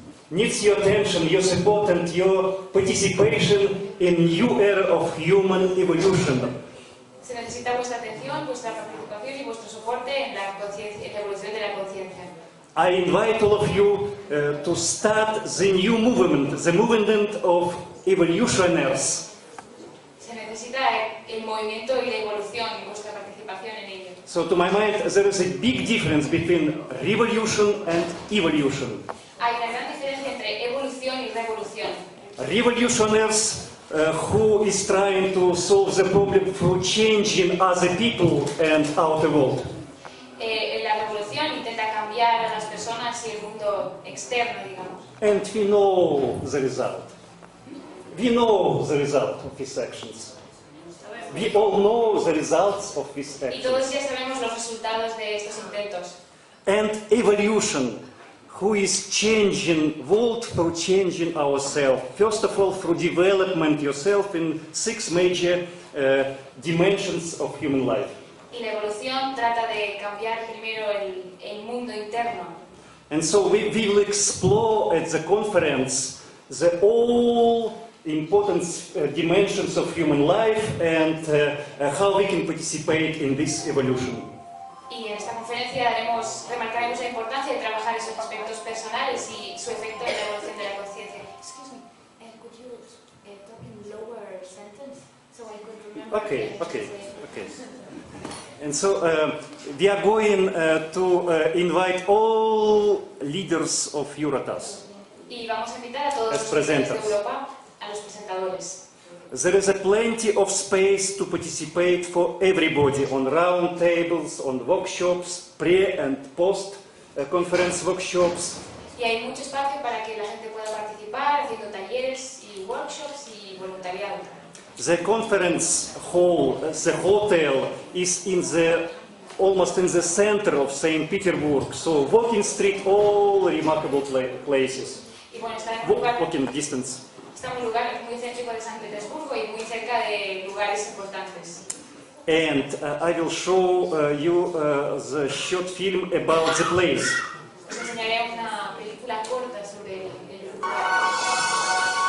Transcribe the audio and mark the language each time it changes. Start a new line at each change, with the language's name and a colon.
English: Needs your attention, your support, and your participation in new era of human evolution.
Spanish: Se necesita vuestra atención, vuestra participación y vuestro soporte en la evolución de la conciencia.
English: I invite all of you to start the new movement, the movement of evolutioners.
Spanish: Se necesita el movimiento y la evolución y vuestra participación en ello.
English: So to my mind, there is a big difference between revolution and evolution.
Spanish: Hay una gran diferencia entre evolución y revolución.
English: Revolutionaries who is trying to solve the problem through changing other people and outer world.
Spanish: La revolución intenta cambiar a las personas y el mundo externo, digamos.
English: And we know the result. We know the result of these actions. We all know the results of these actions.
Spanish: Y todos ya sabemos los resultados de estos intentos.
English: And evolution. Who is changing world through changing ourselves? First of all, through development yourself in six major dimensions of human life.
Spanish: Y la evolución trata de cambiar primero el mundo interno.
English: And so we will explore at the conference the all important dimensions of human life and how we can participate in this evolution.
Spanish: Y en esta conferencia remarcaremos la importancia de trabajar esos aspectos personales y su efecto en la evolución de la conciencia.
English: Excuse me, could you talk in lower sentence so I could remember? Okay. And so we are going to invite all leaders of Eurotas.
Spanish: Y vamos a invitar a todos los presentadores de Europa, a los presentadores.
English: There is a plenty of space to participate for everybody on round tables, on workshops, pre and post conference workshops.
Spanish: Y hay mucho espacio para que la gente pueda participar haciendo talleres y workshops y voluntariado.
English: The conference hall, the hotel is in the almost in the center of St. Petersburg, so walking street, all remarkable places.
Spanish: Y bueno, está en
English: walking distance.
Spanish: está en un lugar muy céntrico de San Petersburgo y muy cerca de lugares importantes.
English: And I will show you the short film about the place.
Spanish: Os enseñaré una película corta sobre el lugar.